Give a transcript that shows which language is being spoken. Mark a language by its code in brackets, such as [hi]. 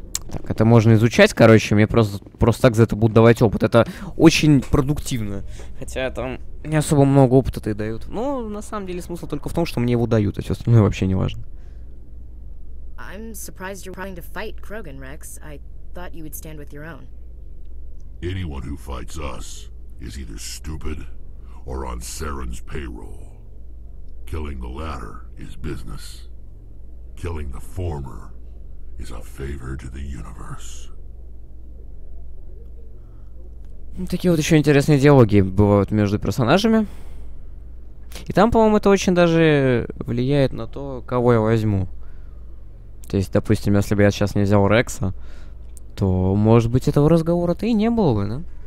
[ru] Так, это можно изучать, короче. Мне просто так за это будут давать опыт. Это очень продуктивно. Хотя там не особо много опыта-то и дают. Но на самом деле смысл только в том, что мне его дают. А все остальное вообще не важно. [en] I'm surprised you're trying to fight Krogan, Rex. I thought you would stand with your own. Anyone who fights us is either stupid or on Saren's payroll. Killing the latter is business. Killing the former is a favor to the universe. [ru] Такие вот еще интересные диалоги бывают между персонажами. И там, по-моему, это очень даже влияет на то, кого я возьму. То есть, допустим, если бы я сейчас не взял Рекса, то, может быть, этого разговора-то и не было бы, да?